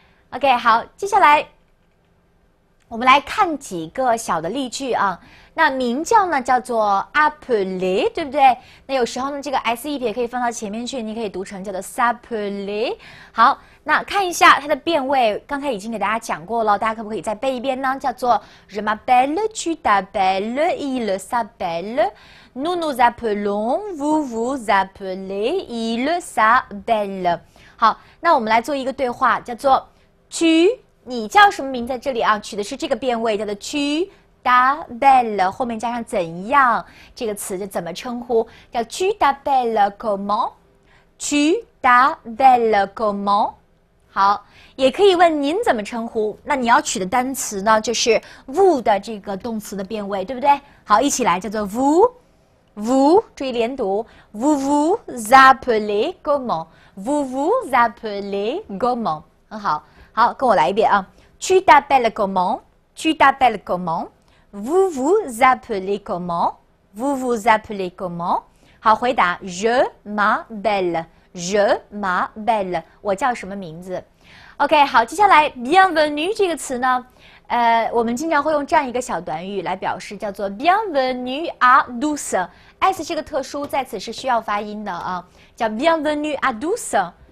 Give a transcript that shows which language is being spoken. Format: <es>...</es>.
<zh>OK，好，接下来我们来看几个小的例句啊。那名叫呢，叫做 appelé，对不对？那有时候呢，这个 s 一撇可以放到前面去，你可以读成叫做 s'appelé。好，那看一下它的变位，刚才已经给大家讲过了，大家可不可以再背一遍呢？叫做</zh> <fr>je m'appelle, tu t'appelles, il s'appelle, nous nous appelons, vous vous appelez, il s'appelle。</fr> <zh>好，那我们来做一个对话，叫做 tu，你叫什么名在这里啊？取的是这个变位，叫做 tu。d'appelle 后面加上怎样这个词就怎么称呼？叫</zh> <fr>tu t'appelles comment？tu t'appelles comment？</fr> <zh>好，也可以问您怎么称呼？那你要取的单词呢，就是 vous 的这个动词的变位，对不对？好，一起来，叫做</zh> <fr>vous，vous，</fr> <zh>注意连读，</zh> <fr>vous vous appelez comment？vous vous appelez comment？</fr> <zh>很好，好，跟我来一遍啊，</zh> <fr>tu t'appelles comment？tu t'appelles comment？ Vous vous appelez comment? Vous vous appelez comment?</fr> <zh>好，回答</zh> <fr>Je m'appelle. Je m'appelle.</fr> <zh>我叫什么名字 ？OK， 好，接下来 Bienvenue 这个词呢，我们经常会用这样一个小短语来表示，叫做</zh> <fr>Bienvenue à tous.</fr> <zh>S 这个特殊在此是需要发音的啊，叫</zh> <fr>Bienvenue à tous.</fr>